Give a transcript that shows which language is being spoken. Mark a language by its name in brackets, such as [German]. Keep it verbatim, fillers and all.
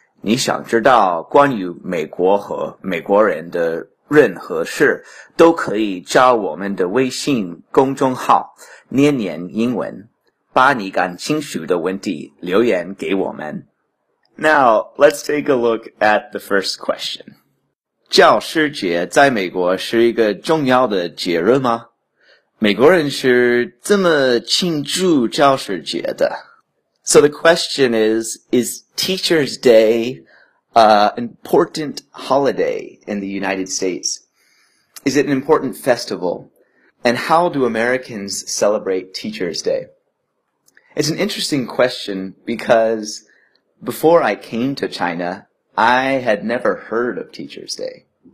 [Chinese] 你想知道关于美国和美国人的任何事都可以加我们的微信公众号年年英文，把你感兴趣的问题留言给我们。 [English] Now, let's take a look at the first question. [Chinese] 教师节在美国是一个重要的节日吗？美国人是这么庆祝教师节的。 [English] So the question is, is Teacher's Day Uh, important holiday in the United States? Is it an important festival? And how do Americans celebrate Teacher's Day? It's an interesting question because before I came to China, I had never heard of Teacher's Day.